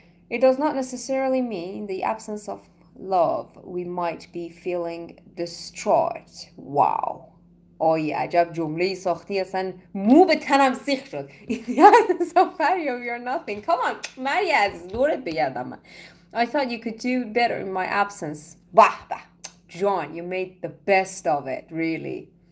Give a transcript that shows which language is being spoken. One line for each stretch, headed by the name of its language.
English: It does not necessarily mean the absence of love. We might be feeling distraught. Wow.
Persian: آی عجب جمله ساختی, اصلا مو به تنم سیخ شد.
English: Mario, you're nothing. Come on, Maria,
Persian: دورت بگردم من.
English: I thought you could do better in my absence. بح بح. John, you made the best of it, really.